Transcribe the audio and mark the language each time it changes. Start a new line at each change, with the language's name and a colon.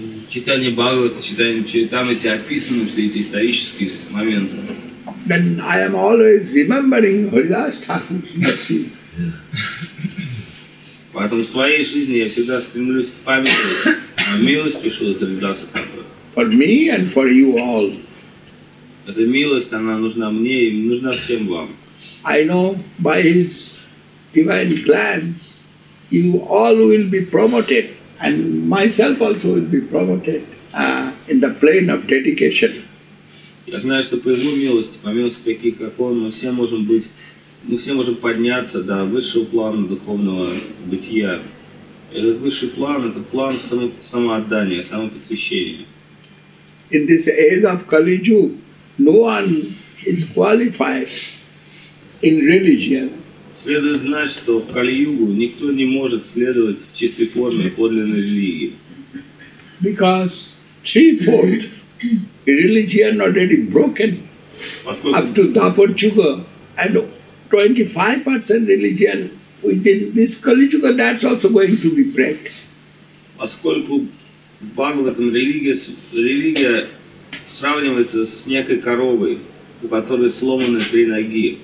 Russian: Chaitanya Bhagavat, Chaitanya Charitamrita, описаны все эти исторические моменты.
English: Then I am always remembering Haridas Thakur's mercy.
Russian: Поэтому в своей жизни я всегда стремлюсь к памяти о милости Шрилы Харидаса Тхакура.
English: For me and for you all.
Russian: Эта милость, она нужна мне и нужна всем вам.
English: I know by his divine glance you all will be promoted and myself also will be promoted in the plane of dedication.
Russian: Я знаю, что по его милости, по милости таких, как он, мы все можем быть, мы все можем подняться до высшего плана духовного бытия. Этот высший план – это план самоотдания, самопосвящения.
English: In this age of Kali Yuga, no one is qualified in religion.
Russian: Следует знать, что в Кали-Югу никто не может следовать в чистой форме подлинной религии.
English: Because threefold religion already broken up to Dwapar Yuga and 25% religion within this Kali Yuga, that's also going to be break.
Russian: Поскольку в Бхагаватам религия сравнивается с некой коровой, у которой сломаны три ноги.